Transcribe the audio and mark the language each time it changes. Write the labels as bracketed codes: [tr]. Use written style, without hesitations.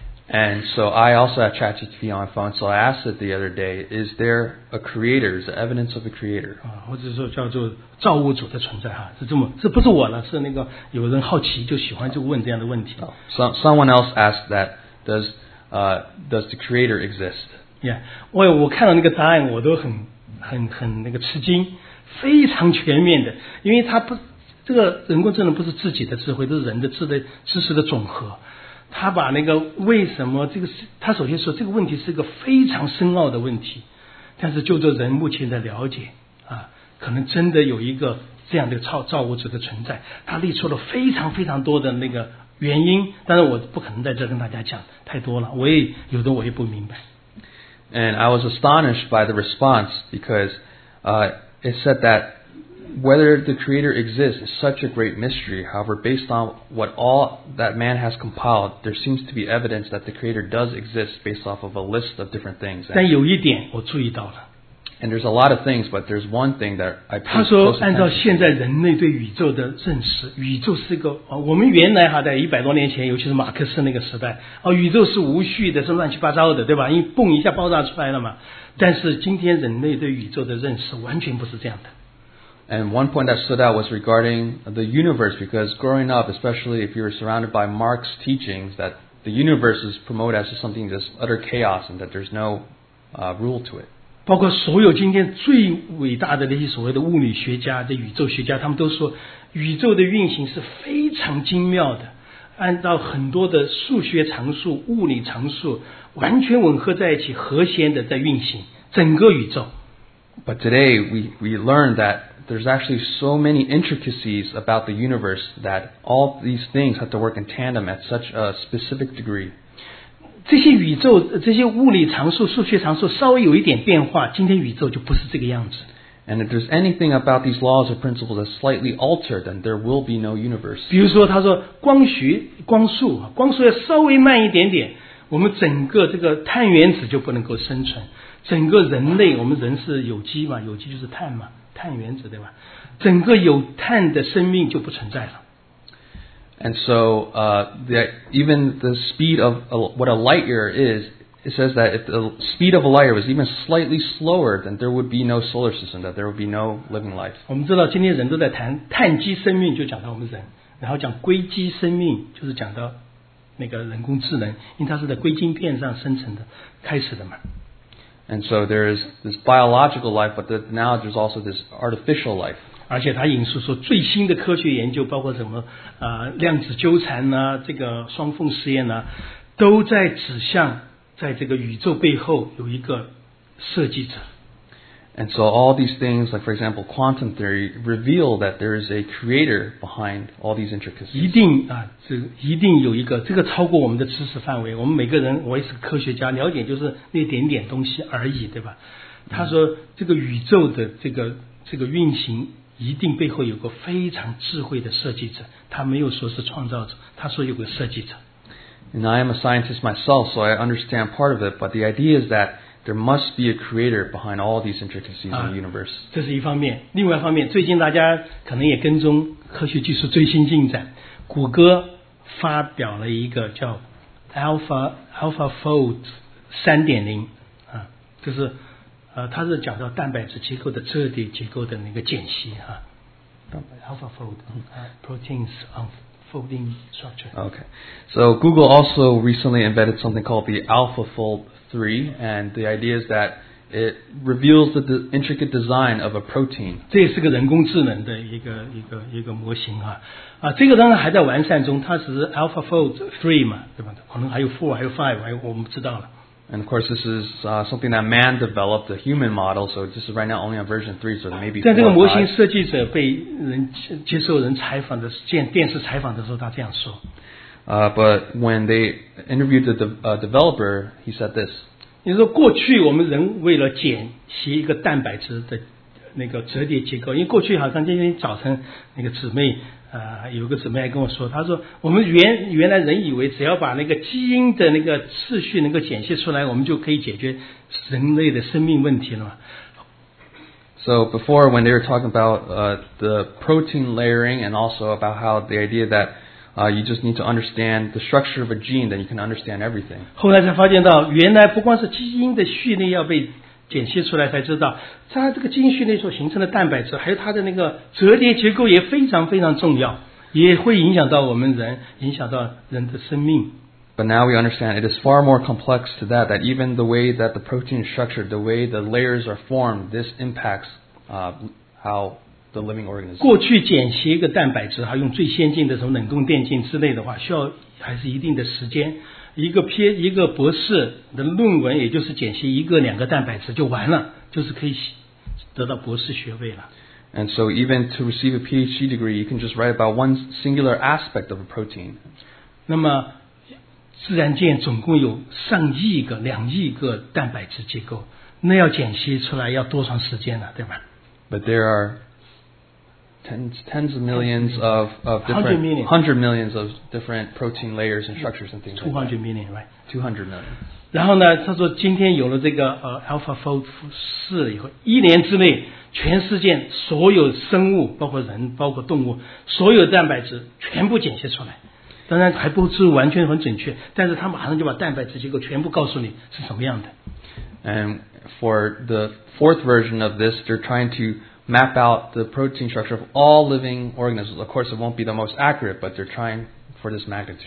[en] And so I also had ChatGPT on my phone, so I asked it the other day, is there a creator, is there evidence of a creator? [zh] 或者说叫做造物主的存在，是这么，这不是我了，是那个有人好奇就喜欢就问这样的问题。 [en] Someone else asked that, does the creator exist? [zh] Yeah, 我看到那个答案我都很那个吃惊。非常全面的，因为它不，这个人工智能不是自己的智慧，这是人的知识的总和。他把那个为什么这个，他首先说这个问题是一个非常深奥的问题，但是就着人目前的了解啊，可能真的有一个这样的造物主的存在。他列出了非常非常多的那个原因，但是我不可能在这跟大家讲太多了，我也不明白。 [en] And I was astonished by the response because, It said that whether the creator exists is such a great mystery. However, based on what all that man has compiled, there seems to be evidence that the creator does exist based off of a list of different things. [zh] 但有一点我注意到了。 [en] And there's a lot of things, but there's one thing that I paid close attention to. [zh] 他说按照现在人类对宇宙的认识，宇宙是一个，我们原来哈在一百多年前，尤其是马克思那个时代，宇宙是无序的，是乱七八糟的，对吧？因为蹦一下爆炸出来了嘛。但是今天人类对宇宙的认识完全不是这样的。 [en] And one point that stood out was regarding the universe, because growing up, especially if you were surrounded by Marx's teachings, that the universe is promoted as just something, just utter chaos, and that there's no rule to it. [zh] 包括所有今天最伟大的那些所谓的物理学家、这宇宙学家，他们都说宇宙的运行是非常精妙的，按照很多的数学常数、物理常数完全吻合在一起，和谐的在运行整个宇宙。 [en] But today we learn that there's actually so many intricacies about the universe that all these things have to work in tandem at such a specific degree. [zh] 这些宇宙、这些物理常数、数学常数稍微有一点变化，今天宇宙就不是这个样子。 [en] And if there's anything about these laws or principles that's slightly altered, then there will be no universe. [zh] 比如说，他说光速要稍微慢一点点，我们整个这个碳原子就不能够生存。整个人类，我们人是有机嘛，有机就是碳嘛，碳原子对吧？整个有碳的生命就不存在了。 [en] And so, even the speed of what a light year is, it says that if the speed of a light year was even slightly slower, then there would be no solar system, that there would be no living life. [zh] 我们知道今天人都在谈碳基生命，就讲到我们人，然后讲硅基生命，就是讲到那个人工智能，因为它是在硅晶片上生成的，开始的嘛。 [en] And so there is this biological life, but now there's also this artificial life. [zh] 而且他引述说最新的科学研究包括什么量子纠缠啊，这个双缝实验啊，都在指向在这个宇宙背后有一个设计者。 [en] And so all these things, like for example quantum theory, reveal that there is a creator behind all these intricacies. [zh] 一定啊，这一定有一个，这个超过我们的知识范围，我们每个人，我也是科学家，了解就是那点点东西而已，对吧？他说这个宇宙的这个运行一定背后有个非常智慧的设计者，他没有说是创造者，他说有个设计者。 [en] And I am a scientist myself, so I understand part of it, but the idea is that there must be a creator behind all these intricacies in the universe. [zh] 这是一方面，另外一方面，最近大家可能也跟踪科学技术最新进展，谷歌发表了一个叫 AlphaFold 3.0, 就是它是讲到蛋白质结构的彻底结构的那个解析哈 ，alpha fold, [en] proteins unfolding structure. Okay, so Google also recently invented something called the Alpha Fold 3, and the idea is that it reveals the intricate design of a protein. [zh] 这是个人工智能的一个模型哈，这个当然还在完善中，它只是 Alpha Fold 3嘛，对吧？可能还有 4, 还有 5, 还有我们不知道了。 [en] And of course, this is something that man developed, a human model, so this is right now only on version 3, so maybe [zh] 但这个模型设计者被人接受人采访的电视采访的时候他这样说。 [en] But when they interviewed the developer, he said this. [zh] 你说过去我们人为了解析一个蛋白质的那个折叠结构，因为过去好像今天早晨那个姊妹有个姊妹还跟我说，她说我们原来人以为只要把那个基因的那个次序能够检析出来，我们就可以解决人类的生命问题了嘛。 [en] So before, when they were talking about the protein layering and also about how the idea that you just need to understand the structure of a gene, then you can understand everything. [zh] 后来才发现到，原来不光是基因的序列要被解析出来才知道，它这个基因序列所形成的蛋白质，还有它的那个折叠结构也非常非常重要，也会影响到我们人，影响到人的生命。 [en] But now we understand it is far more complex to that. That even the way that the protein is structured, the way the layers are formed, this impacts how the living organism. [zh] 过去解析一个蛋白质，还用最先进的什么冷冻电镜之类的话，需要还是一定的时间。一个博士的论文也就是解析一个两个蛋白质就完了，就是可以得到博士学位了。 [en] And so even to receive a PhD degree, you can just write about one singular aspect of a protein. [zh] 那么自然界总共有上亿个两亿个蛋白质结构，那要解析出来要多长时间呢，对吧？ [en] But there are tens of millions of different hundred millions of different protein layers and structures and things. Two hundred million, right? [zh] 然后呢，他说今天有了这个AlphaFold 四以后，一年之内，全世界所有生物，包括人，包括动物，所有蛋白质全部解析出来。当然还不是完全很准确，但是他马上就把蛋白质结构全部告诉你是什么样的。 [en] And for the fourth version of this, they're trying to map out the protein structure of all living organisms. Of course, it won't be the most accurate, but they're trying for this magnitude.